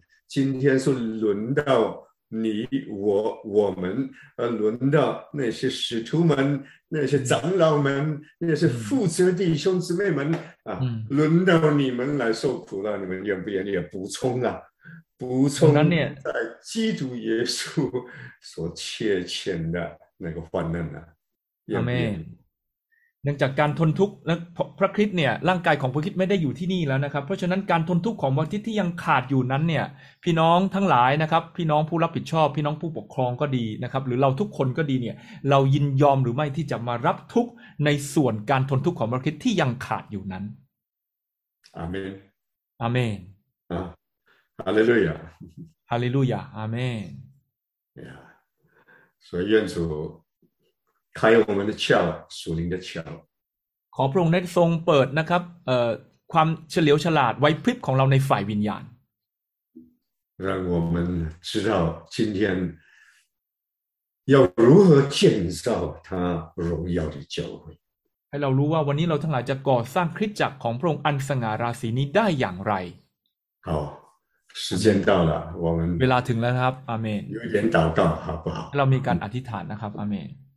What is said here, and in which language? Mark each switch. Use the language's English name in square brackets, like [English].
[Chinese] 今天是轮到你我们轮到那些使徒们那些长老们那些负责弟兄姊妹们轮到你们来受苦了你们愿不愿意补充啊补充在基督耶稣所切切的那个患难啊 [Thai] 阿门เนื่องจากการทนทุกข์และพระคริสต์เนี่ยร่างกายของพระคริสต์ไม่ได้อยู่ที่นี่แล้วนะครับเพราะฉะนั้นการทนทุกข์ของพระคริสต์ที่ยังขาดอยู่นั้นเนี่ยพี่น้องทั้งหลายนะครับพี่น้องผู้รับผิดชอบพี่น้องผู้ปกครองก็ดีนะครับหรือเราทุกคนก็ดีเนี่ยเรายินยอมหรือไม่ที่จะมารับทุกข์ในส่วนการทนทุกข์ของพระคริสต์ที่ยังขาดอยู่นั้น อาเมน อาเมน [English] Hallelujah. Hallelujah. Amen. Yeah. [Chinese] 所以愿主开我们的窍，属灵的窍。 [Thai] ขอพระองค์ได้ทรงเปิดนะครับความเฉลียวฉลาดไวพริบของเราในฝ่ายวิญญาณ [Chinese] 让我们知道今天要如何建造他荣耀的教会 [Thai] ให้เรารู้ว่าวันนี้เราทั้งหลายจะก่อสร้างคริสตจักรของพระองค์อันสง่าราศีนี้ได้อย่างไร [Chinese] 好时间到了我们 [Thai] เวลาถึงแล้วครับอาเมน [Chinese] 有点祷告好不好 [Thai] เรามีการอธิษฐานนะครับอาเมน